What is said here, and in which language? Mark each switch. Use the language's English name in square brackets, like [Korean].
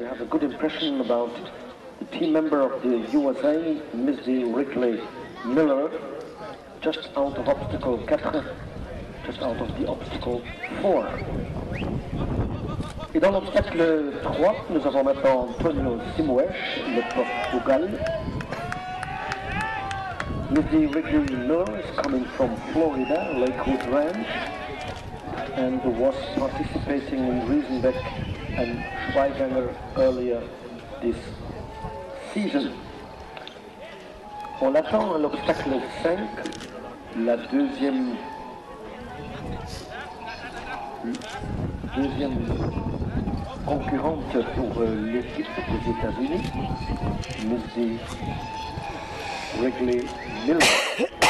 [English] good impression about the team member of the USA, Missy Wrigley Miller, just out of obstacle 4, just out of the obstacle 4. [French] Et dans l'obstacle 3, nous avons maintenant Antonio Simoes, le Portugal. [English] Missy Wrigley Miller is coming from Florida, Lakewood Ranch, and was participating in Riesenbeck and Schweiganger earlier this season. [French] On l'attend à l'obstacle 5, la deuxième concurrente pour l'équipe des États-Unis, Missy Wrigley Miller.